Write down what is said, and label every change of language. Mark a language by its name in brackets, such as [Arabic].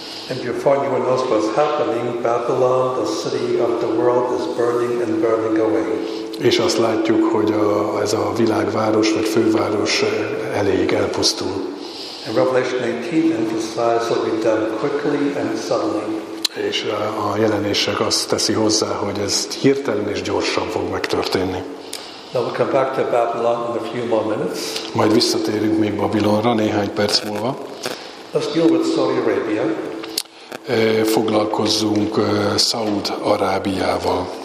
[English] And before you know what's happening, Babylon, the city of the world, is burning and burning away. [Hungarian] És azt látjuk, hogy ez a világváros vagy főváros elég elpusztul. [English] And Revelation 18 emphasizes that it'll be done quickly and suddenly. [Hungarian] És a jelenések azt teszi hozzá, hogy ez hirtelen és gyorsan fog megtörténni. [English] Now we'll come back to Babylon in a few more minutes. [Hungarian] Majd visszatérünk még Babilonra néhány perc múlva. [English] Let's deal with Saudi Arabia. [Hungarian] Foglalkozzunk Saud Arábiával.